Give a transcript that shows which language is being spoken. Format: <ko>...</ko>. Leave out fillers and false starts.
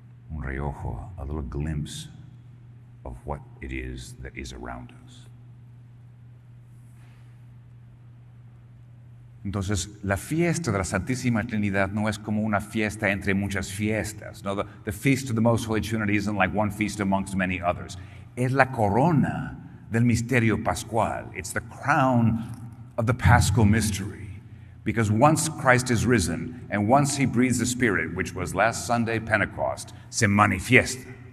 <es>Un reojo,</es> <en>a little glimpse of what it is that is around us.</en> <es>Entonces, la fiesta de la Santísima Trinidad no es como una fiesta entre muchas fiestas.</es> <en>No, the feast of the Most Holy Trinity isn't like one feast amongst many others.</en> <es>Es la corona del misterio pascual.</es> <en>It's the crown of the paschal mystery. Because once Christ is risen, and once he breathes the Spirit, which was last Sunday, Pentecost,</en> <es>se manifiesta.</es>